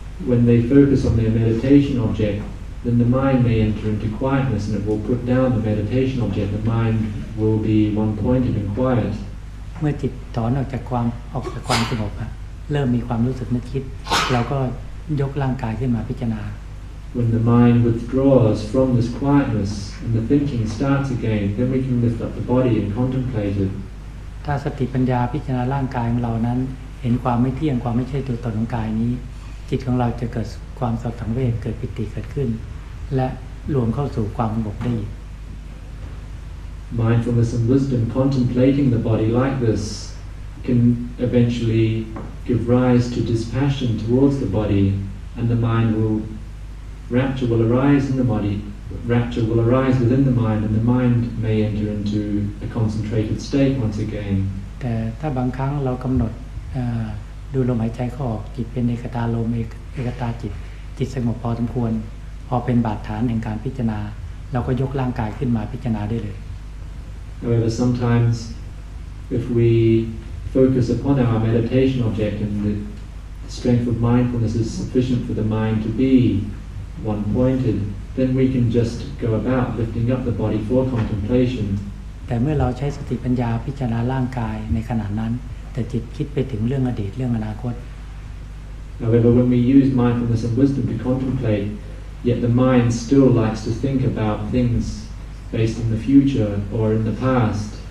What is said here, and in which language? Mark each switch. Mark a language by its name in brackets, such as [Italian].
[English] When they focus on their meditation object, then the mind may enter into quietness, and it will put down the meditation object. The mind will be one-pointed and quiet. [Thai] เมื่อจิตถอนออกจากความสงบเริ่มมีความรู้สึกนึกคิดเราก็ยกร่างกายขึ้นมาพิจารณา [English] When the mind withdraws from this quietness and the thinking starts again then we can lift up the body and contemplate it [Thai] ถ้าสติปัญญาพิจารณาร่างกายของเรานั้นเห็นความไม่เที่ยงความไม่ใช่ตัวตนของกายนี้จิตของเราจะเกิดความสังเวชเกิดปิติเกิดขึ้นและรวมเข้าสู่ความสงบได้ [English] Mindfulness and wisdom contemplating the body like thisCan eventually give rise to dispassion towards the body, and the mind will rapture will arise in the body. Rapture will arise within the mind, and the mind may enter into a concentrated state once again. [Thai] แต่ถ้าบางครั้งเรากำหนดดูลมหายใจเข้าออกจิตเป็นเอกตาลมเอกตาจิตจิตสงบพอสมควรพอเป็นบาดฐานแห่งการพิจารณาเราก็ยกร่างกายขึ้นมาพิจารณาได้เลย [English] However, sometimes if wefocus upon our meditation object and the strength of mindfulness is sufficient for the mind to be one pointed then we can just go about lifting up the body for contemplation [Thai] แต่เมื่อเราใช้สติปัญญาพิจารณาร่างกายในขณะนั้นแต่จิตคิดไปถึงเรื่องอดีตเรื่องอนาคต [English] However, when we use mindfulness and wisdom to contemplate yet the mind still likes to think about things based in the future or in the past